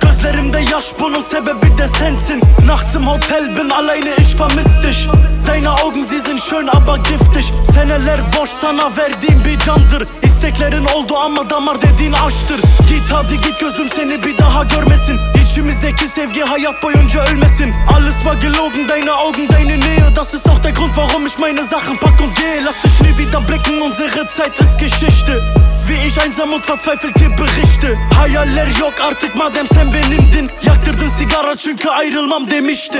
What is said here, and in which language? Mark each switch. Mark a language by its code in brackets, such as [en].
[tr] Gözlerimde yaş, bunun sebebi de sensin. [de] Nachts im Hotel bin alleine, ich vermiss dich. Deine Augen, sie sind schön, aber giftig. [tr] Seneler boş, sana verdiğim bir candır. İsteklerin oldu ama damar dediğin aşktır. Git hadi git, gözüm seni bir daha görmesin. İçimizdeki sevgi hayat boyunca ölmesin. [de] Alles war gelogen, deine Augen, deine Nähe. Das ist auch der Grund, warum ich meine Sachen pack und gehe. Lass dich nie wieder blicken, unsere Zeit ist Geschichte. Wie ich einsam und verzweifelt dir berichte. [tr] Hayaller yok artık, madem sen benimdin. Yaktırdın sigara çünkü ayrılmam demiştin.